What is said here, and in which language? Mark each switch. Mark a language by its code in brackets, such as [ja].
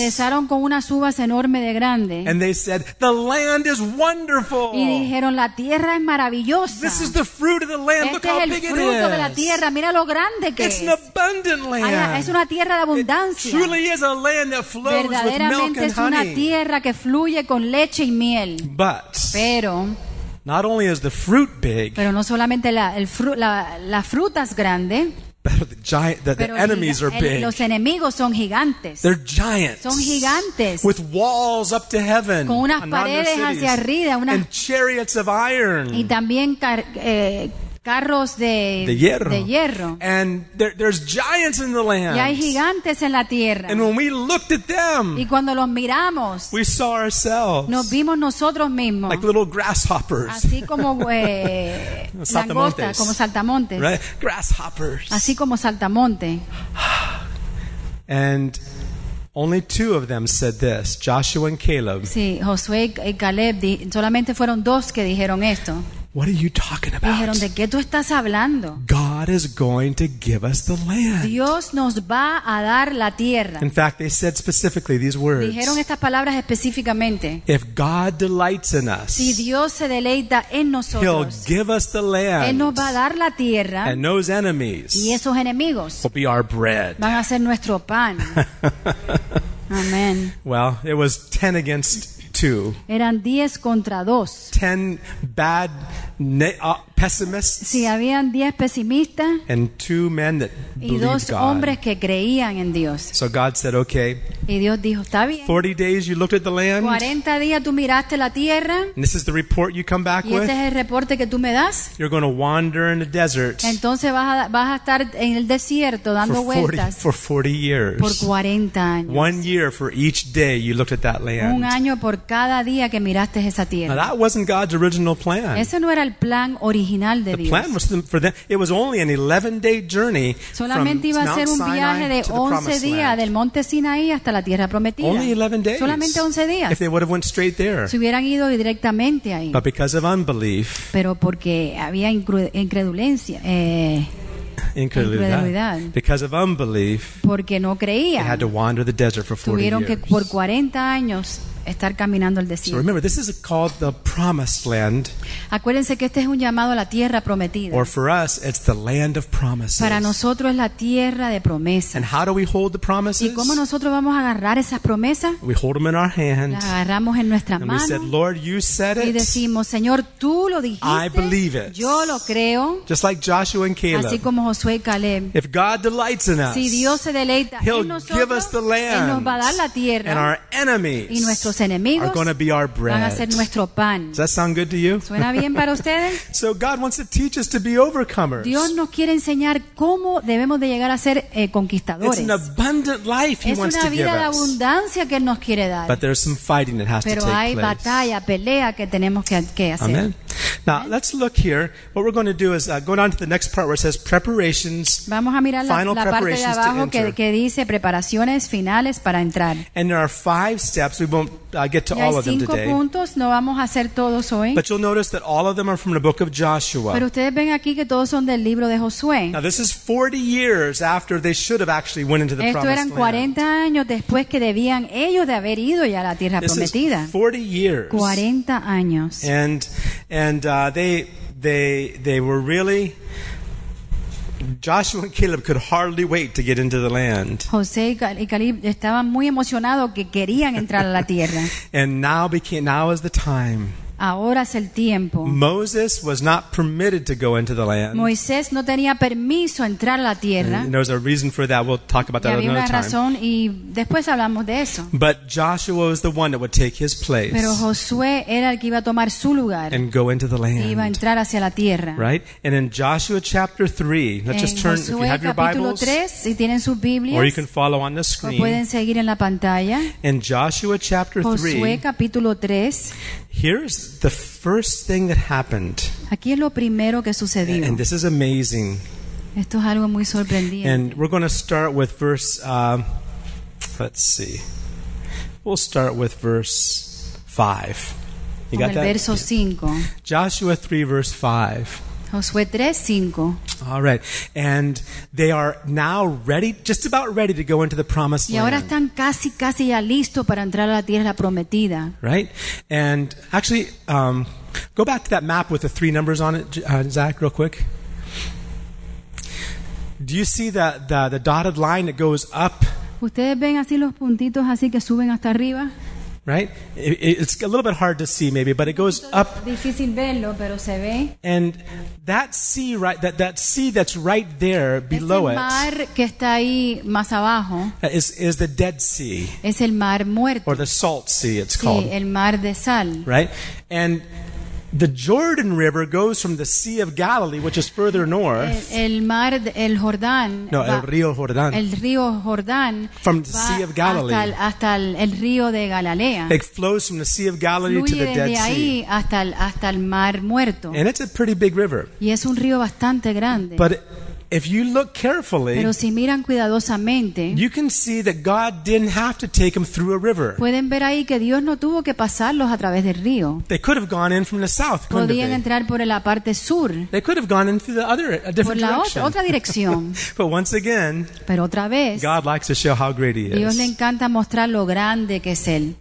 [es] Regresaron con unas uvas enormes de grande. [en] And they said, "The land is wonderful." [es] Y dijeron, "La tierra es maravillosa." [en] This is the fruit of the land. [es] Este [en] Look how big it is. [es] Este es el fruto de la tierra. Mira lo grande que [en] it's It's an abundant land. [es] Es una tierra de abundancia. [en] It truly is a land that flows with milk and honey. [es] Verdaderamente es una tierra que fluye con leche y miel. [en] But [es] pero [en] not only is the fruit big, [es] pero no solamente la fruta es grande, [en] but the enemies are big. [es] Los enemigos son gigantes. [en] They're giants. [es] Son gigantes. [en] With walls up to heaven. [es] Con unas paredes hacia arriba. [en] And chariots of iron. [es] Y también carros de hierro. De hierro. [en] And there's giants in the land. [es] Y hay gigantes en la tierra. [en] And when we looked at them, [es] y cuando los miramos, [en] we saw ourselves. [es] Nos vimos nosotros mismos. [en] Like little grasshoppers. [es] Así como saltamontes. Como saltamontes. [en] Right? Grasshoppers. [es] Así como saltamonte. [en] And only two of them said this, Joshua and Caleb. [es] Sí, Josué y Caleb, solamente fueron dos que dijeron esto. [en] What are you talking about? [es] Dijeron, ¿de qué tú estás hablando? [en] God is going to give us the land. [es] Dios nos va a dar la tierra. [en] In fact, they said specifically these words. [es] Dijeron estas palabras específicamente. [en] If God delights in us, [es] si Dios se deleita en nosotros, [en] He'll give us the land. [es] Él nos va a dar la tierra. [en] And those enemies, [es] y esos enemigos, [en] will be our bread. [es] Van a ser nuestro pan. Amen. [en] Well, it was 10 against 2. [es] Eran 10 contra 2. [en] 10 bad pessimists. [es] Sí, habían 10 pesimistas. [en] And two men that believed God. [es] Y dos hombres que creían en Dios. [en] So God said, "Okay." [es] Y Dios dijo, "Está bien." [en] 40 days you looked at the land. [es] 40 días tú miraste la tierra. [en] And this is the report you come back [es] y [en] with. [es] Y ese es el reporte que tú me das. [en] You're going to wander in the desert. [es] Entonces vas a estar en el desierto dando vueltas. [en] For 40 years. [es] Por 40 años. [en] 1 year for each day you looked at that land. [es] Un año por cada día que miraste esa tierra. [en] Now that wasn't God's original plan. [es] Ese no era el plan original de [en] the [es] Dios. [en] The plan was for them. It was only an 11-day journey [es] solamente [en] from [es] iba a ser [en] Mount [es] un viaje [en] Sinai [es] de 11 días [en] land. [es] Del monte Sinaí hasta la tierra prometida. [en] Only 11 days. [es] Solamente 11 días. [en] If they would have went straight there. [es] Si hubieran ido directamente ahí. [en] But because of unbelief. [es] Pero porque había incredulencia. Incredulidad. [en] Because of unbelief. [es] Porque no creían. [en] They had to wander the desert for 40 years. [es] Tuvieron que por 40 años estar caminando el desierto. [en] So remember, this is called the promised land. [es] Acuérdense que este es un llamado a la tierra prometida. [en] Or for us, it's the land of promises. [es] Para nosotros es la tierra de promesas. [en] And how do we hold the promises? [es] ¿Y cómo nosotros vamos a agarrar esas promesas? [en] We hold them in our hand. [es] Las agarramos en nuestra mano. [en] And we said, "Lord, you said it." [es] Y decimos, Señor, tú lo dijiste. [en] I believe it. [es] Yo lo creo. [en] Just like Joshua and Caleb. [es] Así como Josué y Caleb. [en] If God delights in us, [es] si Dios se deleita [en] he'll [es] en nosotros, [en] give us the land. [es] Él nos va a dar la tierra. [en] And our enemies. [es] Y nuestros enemigos [en] are going to be our bread. [es] Van a ser nuestro pan. [en] Does that sound good to you? [es] ¿Suena bien para ustedes? [en] So God wants to teach us to be overcomers. [es] Dios nos quiere enseñar cómo debemos de llegar a ser conquistadores. [en] It's an abundant life he [es] es [en] wants [es] una vida [en] to give [es] de abundancia [en] us. [es] Que Él nos quiere dar. [en] But there's some fighting that has [es] pero [en] to take [es] hay [en] place. [es] Batalla, pelea que tenemos que hacer. [en] Amen. Now Amen. Let's look here. What we're going to do is go down to the next part where it says preparations. [es] Vamos a mirar final la parte de abajo que dice preparaciones finales para entrar. [en] And there are 5 steps. We won't get to all of them today. [es] Puntos, no vamos a hacer todos hoy. [en] But you'll notice that all of them are from the book of Joshua. [es] Pero ustedes ven aquí que todos son del libro de Josué. [en] Now this is 40 years after they should have actually went into the [es] esto [en] promised [es] eran 40 [en] land. [es] Años después que debían ellos de haber ido ya a la tierra [en] this [es] prometida. [en] Is 40 years. [es] 40 años. [en] And they were really Joshua and Caleb could hardly wait to get into the land. [es] José y Caleb estaban muy emocionados que querían entrar a la tierra. [en] And now is the time. [es] Ahora es el tiempo. [en] Moses was not permitted to go into the land. [es] Moisés no tenía permiso a entrar a la tierra. [en] And there's a reason for that. We'll talk about that another time. [es] Y había una razón y después hablamos de eso. [en] But Joshua was the one that would take his place. [es] Pero Josué era el que iba a tomar su lugar. [en] And go into the land. [es] Y iba a entrar hacia la tierra. [en] Right? And in Joshua chapter 3, let's just turn [es] Josué, [en] if you have your Bibles. [es] Capítulo 3, si tienen sus Biblias. [en] Or you can follow on the screen. [es] O pueden seguir en la pantalla. [en] In Joshua chapter 3. [es] Josué capítulo 3. [en] Here's the first thing that happened. [es] Aquí es lo primero que sucedió. [en] And this is amazing. [es] Esto es algo muy sorprendente. [en] And we're going to start with verse, let's see. We'll start with verse 5. You got that? [es] Verso 5. [en] Joshua 3, verse 5. [es] Josué 3, 5. [en] All right. And they are now ready, just about ready to go into the promised land. [es] Y ahora están casi, casi ya listos para entrar a la tierra prometida. [en] Right? And actually, go back to that map with the 3 numbers on it, Zach, real quick. Do you see the dotted line that goes up? [es] ¿Ustedes ven así los puntitos así que suben hasta arriba? [en] Right? It's a little bit hard to see maybe, but it goes up. [es] Difícil verlo, pero se ve. [en] And that sea right that sea that's right there below [es] es el mar [en] it [es] que está ahí más abajo. [en] Is the Dead Sea. [es] Es el mar muerto. [en] Or the Salt Sea it's [es] sí, [en] called. [es] El mar de sal. [en] Right? And the Jordan River goes from the Sea of Galilee, which is further north. [es] El río Jordán. [en] From the Sea of Galilee. [es] Hasta el río de Galilea. [en] It flows from the Sea of Galilee to the Dead Sea. [es] Hasta el mar muerto. [en] And it's a pretty big river. [es] Y es un río bastante grande. [en] But if you look carefully, [es] pero si miran cuidadosamente, [en] you can see that God didn't have to take them through a river. [es] Pueden ver ahí que Dios no tuvo que pasarlos a través del río. [en] They could have gone in from the south, couldn't they? [es] Podían entrar por la parte sur. [en] They could have gone in through the other, a different [es] por la [en] direction. [es] Otra dirección. [en] But once again, [es] pero otra vez, [en] God likes to show how great he is. [es] Dios le encanta mostrar lo grande que es él.